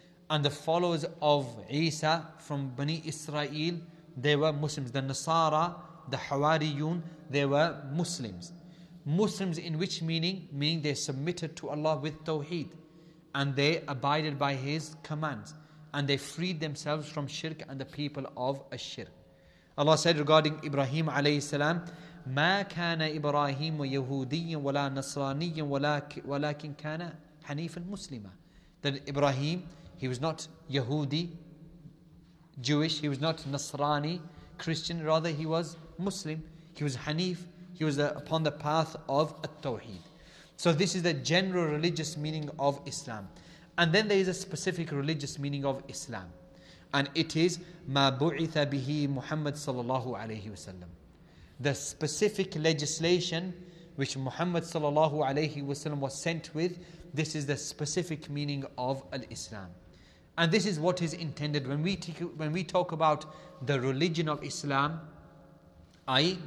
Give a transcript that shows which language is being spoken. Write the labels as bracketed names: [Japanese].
[English] And the followers of Isa from Bani Israel, they were Muslims. The Nasara, the Hawariyun, they were Muslims. Muslims in which meaning? Meaning they submitted to Allah with Tawheed. And they abided by his commands. And they freed themselves from shirk and the people of ash-shirk. Allah said regarding Ibrahim alayhi salam, [Arabic] مَا كَانَ إِبْرَاهِيمُ يَهُودِيًّا وَلَا نَصْرَانِيًّا وَلَكِنْ كَانَ حَنِيفًا مُسْلِمًا. [English] That Ibrahim, he was not Yahudi, Jewish, he was not Nasrani, Christian, rather he was Muslim. He was Hanif, he was upon the path of At-Tawheed. So this is the general religious meaning of Islam. And then there is a specific religious meaning of Islam. And it is [Arabic] مَا بُعِثَ بِهِ مُحَمَّدْ صَلَّى اللَّهُ وسلم. [English] The specific legislation which Muhammad sallallahu alayhi wasallam was sent with, this is the specific meaning of al-Islam. And this is what is intended when we talk about the religion of Islam, i.e.